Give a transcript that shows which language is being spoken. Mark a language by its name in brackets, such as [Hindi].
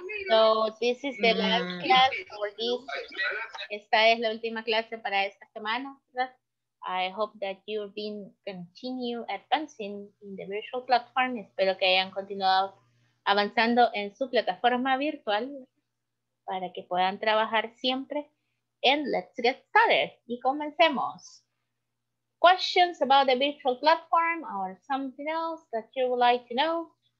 [English] So this is the last class for this. [Spanish] Esta es la última clase para esta semana. [English] I hope that you've been continue advancing in the virtual platform. [Spanish] Espero que hayan continuado avanzando en su plataforma virtual para que puedan trabajar siempre. [English] And let's get started. [Spanish] Y comencemos. [English] Questions about the virtual platform or something else that you would like to know?